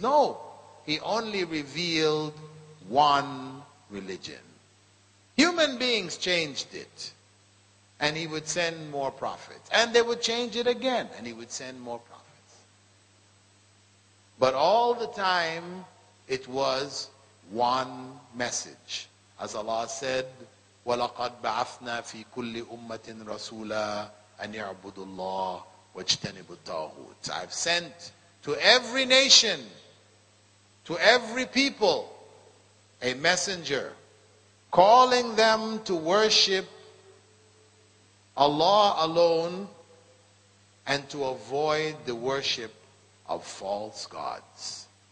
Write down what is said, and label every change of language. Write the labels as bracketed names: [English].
[English] No, he only revealed one religion. Human beings changed it. And he would send more prophets. And they would change it again. And he would send more prophets. But all the time, it was one message. As Allah said, [Arabic] وَلَقَدْ بَعَثْنَا فِي كُلِّ أُمَّةٍ رَسُولًا أَنْ يَعْبُدُ اللَّهِ وَاجْتَنِبُ الطَّاغُوتِ. [English] I've sent to every nation, to every people, a messenger calling them to worship Allah alone and to avoid the worship of false gods.